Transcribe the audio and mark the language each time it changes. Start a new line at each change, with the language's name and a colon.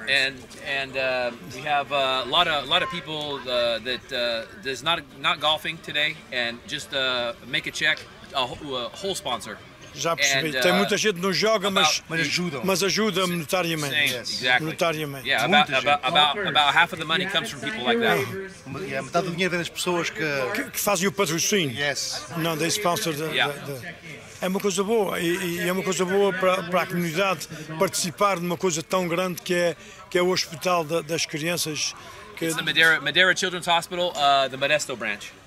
English: And we have a lot of people that is not golfing today and just make a check, a whole sponsor.
Portuguese: Já percebi. And, tem muita gente que não joga, mas ajuda. Mas ajuda monetariamente. Sim,
English: yes. Exactly.
Portuguese: Monetariamente.
English: Yeah, about half of the money comes from people like that.
Portuguese: Yeah, metade do dinheiro vem das pessoas que fazem o patrocínio.
English: Yes.
Portuguese: Não,
English: they sponsor the, yeah.
Portuguese: É uma coisa boa, e é uma coisa boa para a comunidade participar de uma coisa tão grande que é o Hospital das Crianças. Que...
English: It's the Madeira Children's Hospital, the Modesto branch.